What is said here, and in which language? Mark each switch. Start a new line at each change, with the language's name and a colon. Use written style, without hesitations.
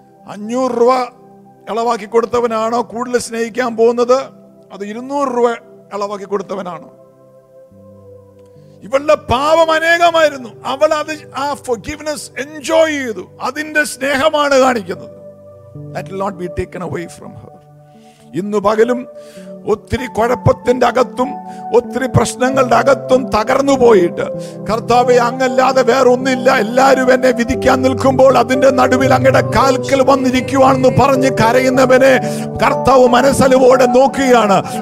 Malayalam: 500 രൂപ ഇളവാക്കി കൊടുത്തവനാണോ കൂടുതൽ സ്നേഹിക്കാൻ പോകുന്നത്? അത് 200 രൂപ ഇളവാക്കി കൊടുത്തവനാണോ? ഇവളുടെ പാപം അനേകമായിരുന്നു, അവൾ അത് ആ
English: forgiveness enjoy
Malayalam: ചെയ്തു, അതിന്റെ സ്നേഹമാണ് കാണിക്കുന്നത്.
English: That will not be taken away from her.
Malayalam: ഇന്നു പകലും ഒത്തിരി കുഴപ്പത്തിന്റെ അകത്തും ഒത്തിരി പ്രശ്നങ്ങളുടെ അകത്തും തകർന്നു പോയിട്ട് കർത്താവെ അങ്ങല്ലാതെ വേറൊന്നില്ല, എല്ലാവരും എന്നെ വിധിക്കാൻ നിൽക്കുമ്പോൾ അതിന്റെ നടുവിൽ അങ്ങയുടെ കാൽക്കൽ വന്നിരിക്കുവാണെന്ന് പറഞ്ഞ് കരയുന്നവനെ കർത്താവ് മനസ്സലവോടെ നോക്കുകയാണ്.